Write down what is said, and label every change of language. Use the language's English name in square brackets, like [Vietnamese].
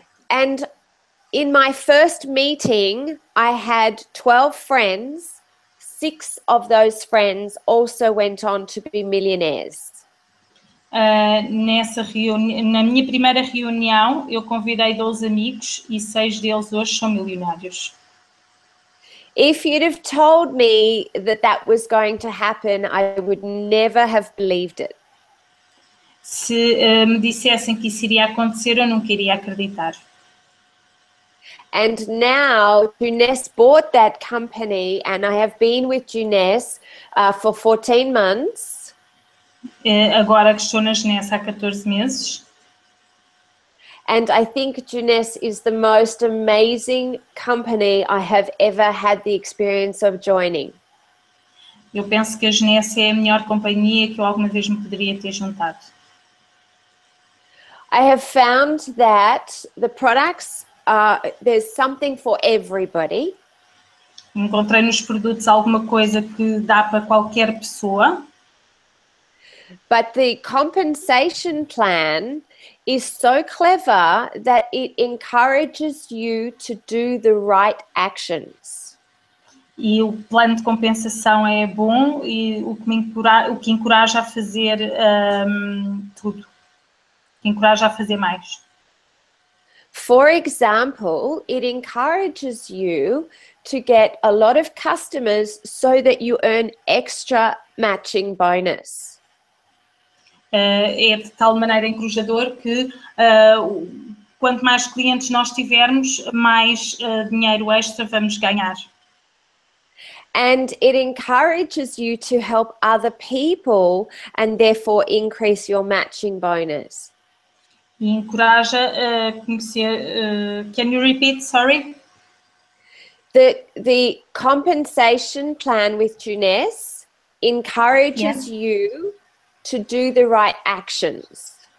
[English] And in my first meeting, I had 12 friends. Six of those friends also went on to be millionaires. [Portuguese] Na minha primeira reunião, eu convidei 12 amigos e 6 deles hoje são milionários. [English] If you'd have told me that that was going to happen, I would never have believed it. [Portuguese] Se me dissessem que isso iria acontecer, eu nunca iria acreditar. [English] And now, Junes bought that company and I have been with Junes for 14 months. [Portuguese] Agora que estou na Junes há 14 meses. [English] And I think Junes is the most amazing company I have ever had the experience of joining. [Portuguese] Eu penso que a Junes é a melhor companhia que eu alguma vez me poderia ter juntado. [English] I have found that the products... there's something for everybody. [Portuguese] Encontrei nos produtos alguma coisa que dá para qualquer pessoa. [English] But the compensation plan is so clever that it encourages you to do the right actions. [Portuguese] E o plano de compensação é bom e o que encoraja a fazer tudo. Encoraja a fazer mais. [English] For example, it encourages you to get a lot of customers so that you earn extra matching bonus. [Portuguese] É de tal maneira encorajador que quanto mais clientes nós tivermos, mais dinheiro extra vamos ganhar. [English] And it encourages you to help other people and therefore increase your matching bonus. [Portuguese] E encoraja a conhecer... [English] can you repeat, sorry? The compensation plan with Junes encourages you to do the right actions.